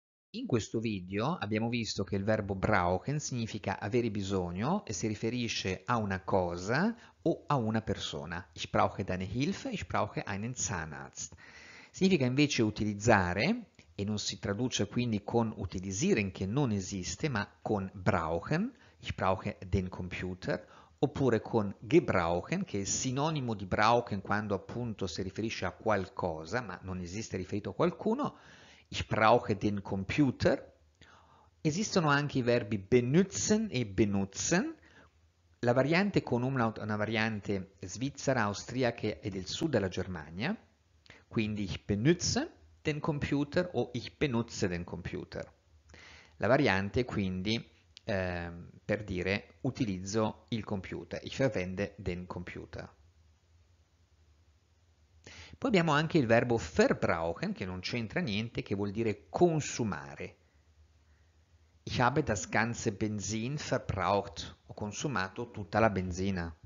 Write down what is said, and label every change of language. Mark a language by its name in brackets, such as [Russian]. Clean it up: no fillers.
[Italian] In questo video abbiamo visto che il verbo brauchen significa avere bisogno e si riferisce a una cosa o a una persona. [German] Ich brauche deine Hilfe, ich brauche einen Zahnarzt. [Italian] Significa invece utilizzare, e non si traduce quindi con utilisieren che non esiste, ma con brauchen, [German] ich brauche den Computer, [Italian] oppure con gebrauchen, che è sinonimo di brauchen quando appunto si riferisce a qualcosa, ma non esiste riferito a qualcuno, ich brauche den Computer. Esistono anche i verbi benutzen e benutzen. La variante con umlaut è una variante svizzera, austriaca e del sud della Germania. Quindi [German] ich benutze den Computer o ich benutze den Computer. [Italian] La variante quindi per dire utilizzo il computer, [German] ich verwende den Computer. [Italian] Poi abbiamo anche il verbo verbrauchen che non c'entra niente, che vuol dire consumare. [German] Ich habe das ganze Benzin verbraucht, [Italian] ho consumato tutta la benzina.